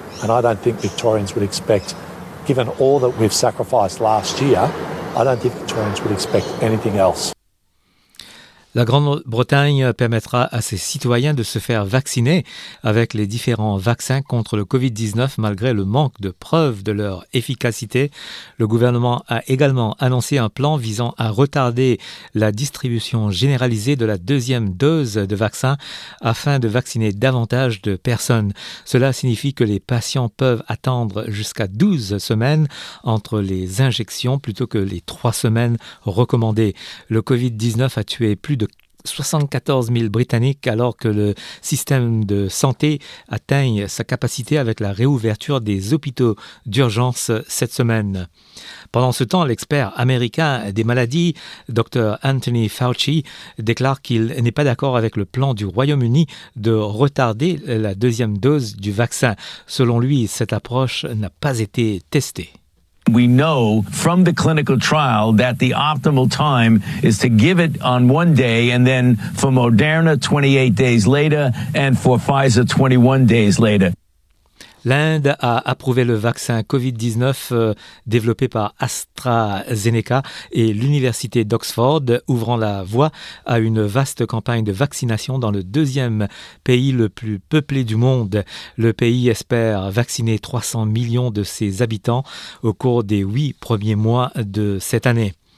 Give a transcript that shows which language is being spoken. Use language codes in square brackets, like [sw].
[en] And I don't think Victorians would expect, given all that we've sacrificed last year, I don't think Victorians would expect anything else. [fr] La Grande-Bretagne permettra à ses citoyens de se faire vacciner avec les différents vaccins contre le Covid-19 malgré le manque de preuves de leur efficacité. Le gouvernement a également annoncé un plan visant à retarder la distribution généralisée de la deuxième dose de vaccin afin de vacciner davantage de personnes. Cela signifie que les patients peuvent attendre jusqu'à 12 semaines entre les injections plutôt que les 3 semaines recommandées. Le Covid-19 a tué plus de 74 000 Britanniques alors que le système de santé atteint sa capacité avec la réouverture des hôpitaux d'urgence cette semaine. Pendant ce temps, l'expert américain des maladies, Dr Anthony Fauci, déclare qu'il n'est pas d'accord avec le plan du Royaume-Uni de retarder la deuxième dose du vaccin. Selon lui, cette approche n'a pas été testée. [en] We know from the clinical trial that the optimal time is to give it on one day and then for Moderna 28 days later and for Pfizer 21 days later. [fr] L'Inde a approuvé le vaccin Covid-19 développé par AstraZeneca et l'Université d'Oxford, ouvrant la voie à une vaste campagne de vaccination dans le deuxième pays le plus peuplé du monde. Le pays espère vacciner 300 millions de ses habitants au cours des 8 premiers mois de cette année.